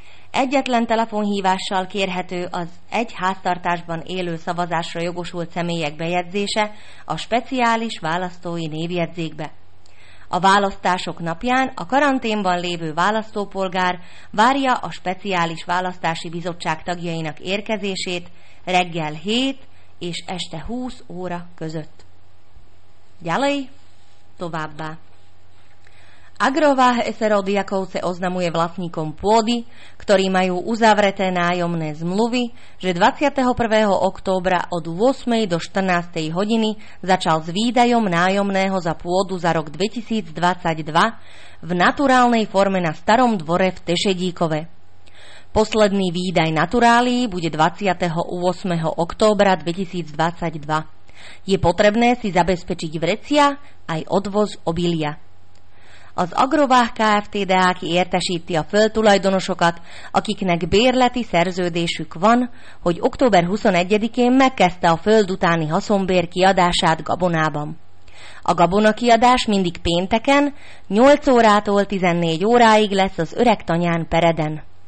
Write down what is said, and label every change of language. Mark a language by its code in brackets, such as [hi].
[hu] Egyetlen telefonhívással kérhető az egy háztartásban élő szavazásra jogosult személyek bejegyzése a speciális választói névjegyzékbe. A választások napján a karanténban lévő választópolgár várja a speciális választási bizottság tagjainak érkezését reggel 7 és este 20 óra között. [sk] Ďalej, [hu] továbbá. [sk] Agrováh SR od Jakovce oznamuje vlastníkom pôdy, ktorí majú uzavreté nájomné zmluvy, že 21. októbra od 8. do 14. hodiny začal s výdajom nájomného za pôdu za rok 2022 v naturálnej forme na starom dvore v Tešedíkove. Posledný výdaj naturálií bude 28. októbra 2022. Je potrebné si zabezpečiť vrecia aj odvoz obilia. [hu] Az Agrováh Kft. DHK értesíti a földtulajdonosokat, akiknek bérleti szerződésük van, hogy október 21-én megkezdte a föld utáni haszonbér kiadását gabonában. A gabonakiadás mindig pénteken, 8 órától 14 óráig lesz az öreg tanyán Pereden.